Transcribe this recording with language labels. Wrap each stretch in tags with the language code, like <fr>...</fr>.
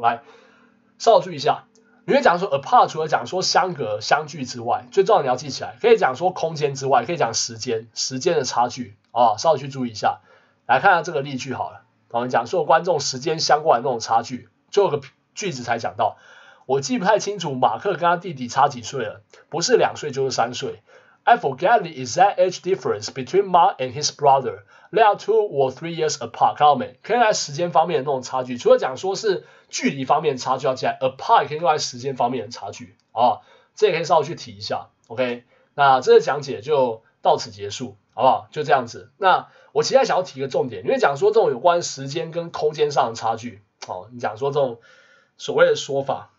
<zh>来，稍微注意一下，你会讲说 apart 除了讲说相隔相距之外，最重要的你要记起来，可以讲说空间之外，可以讲时间的差距啊，稍微去注意一下。来看看这个例句好了，我们讲说观众时间相关的那种差距，最后一个句子才讲到。我记不太清楚马克跟他弟弟差几岁了，不是两岁就是三岁。</zh> <en>I forget the exact age difference between Mark and his brother. They are 2 or 3 years apart.</en> <zh>看到没？可以在时间方面的那种差距，除了讲说是距离方面的差距要记来 ，apart 可以用在时间方面的差距啊，这也可以稍微去提一下。 OK， 那这个讲解就到此结束，好不好？就这样子。那我其实想要提一个重点，因为讲说这种有关时间跟空间上的差距，哦，你讲说这种所谓的说法。</zh>